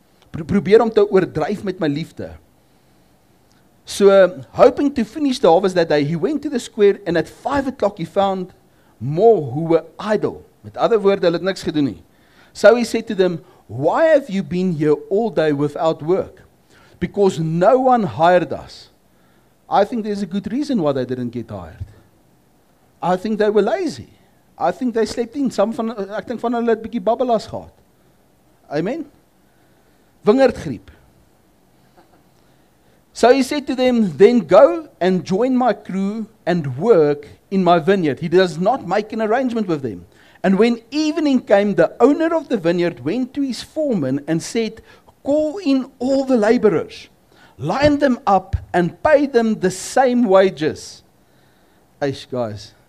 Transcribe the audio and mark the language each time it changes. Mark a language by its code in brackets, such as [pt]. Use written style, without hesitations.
[af] Probeer om te oordryf met my liefde. [en] So, hoping to finish the harvest that day, he went to the square and at 5 o'clock he found more who were idle. [af] Met ander woorde, hulle het niks gedoen nie. [en] So he said to them, why have you been here all day without work? Because no one hired us. I think there's a good reason why they didn't get hired. I think they were lazy. I think they slept in. [af] Ek dink van hulle het bietjie babbelas gehad. Amen. Wingerdgriep. [en] So he said to them, then go and join my crew and work in my vineyard. He does not make an arrangement with them. And when evening came, the owner of the vineyard went to his foreman and said, call in all the laborers, line them up and pay them the same wages. Eish, guys.